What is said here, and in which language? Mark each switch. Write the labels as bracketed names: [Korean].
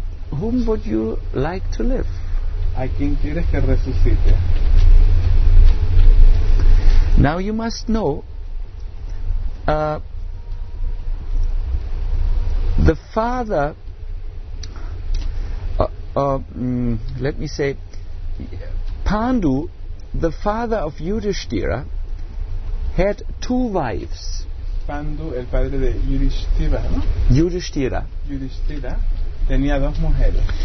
[English] Whom would you like to live? [Spanish] ¿A quién quieres que resucite? [English] Now you must know. The father. Let me say, Pandu, the father of Yudhishthira, had two wives. [Spanish] Pandu, el padre de Yudhishthira, ¿no? Yudhishthira. Yudhishthira tenía dos mujeres.